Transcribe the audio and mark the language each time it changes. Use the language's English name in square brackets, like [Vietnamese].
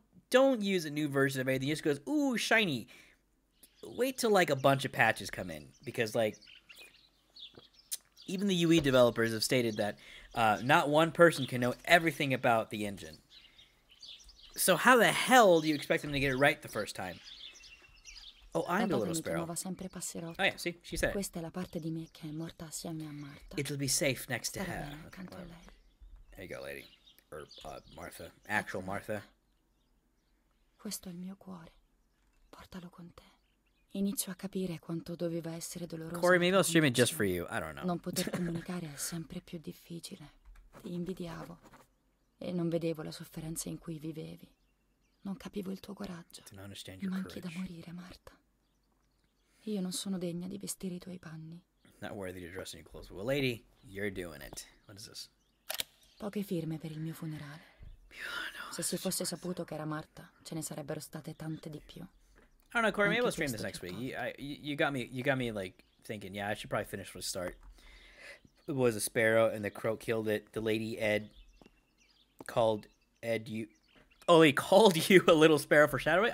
[English] Don't use a new version of anything. It just goes, ooh, shiny. Wait till, like, a bunch of patches come in. Because, like, even the UE developers have stated that not one person can know everything about the engine. So how the hell do you expect them to get it right the first time? Oh, I'm the little sparrow. Oh yeah, see, she said. [Italian] Questa è la parte di me che è morta assieme a Martha. [English] It'll be safe next to her. Okay, there you go, lady, or Martha, actual Martha. [Italian] Questo è il mio cuore. Portalo con te. Inizio a capire quanto doveva essere doloroso. [English] Corey, maybe I'll stream it just for you. I don't know. [Italian] Non poter comunicare è sempre più difficile. Ti invidiavo e non vedevo la sofferenza in cui vivevi. Non capivo il tuo coraggio. [English] Don't understand your courage. [Italian] Mi manchi da morire, Martha. Io non sono degna di vestire i tuoi panni. [English] Not worthy to dress in your clothes. Well, lady, you're doing it. What is this? [Italian] Poche firme per il mio funerale. Se si fosse saputo che era Martha, ce ne sarebbero state tante di più. [English] I don't know, Corey, maybe we'll stream this next week. You got me like thinking, yeah, I should probably finish with a start. It was a sparrow and the crow killed it. The lady Ed called Ed you. Oh, he called you a little sparrow for shadowing?